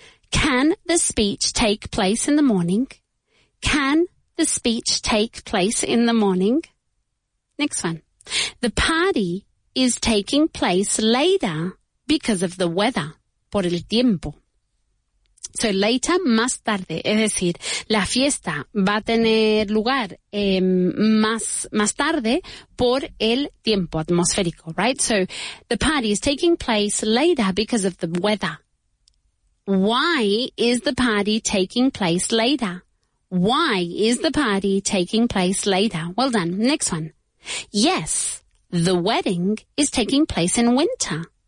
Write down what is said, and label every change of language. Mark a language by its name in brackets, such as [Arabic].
[English] Can the speech take place in the morning? Can the speech take place in the morning? Next one. The party is taking place later because of the weather. [Spanish] Por el tiempo. [English] So later, [Spanish] más tarde. Es decir, la fiesta va a tener lugar más tarde por el tiempo atmosférico, right? [English] So the party is taking place later because of the weather. Why is the party taking place later? Why is the party taking place later? Well done. Next one. Yes, the wedding is taking place in winter.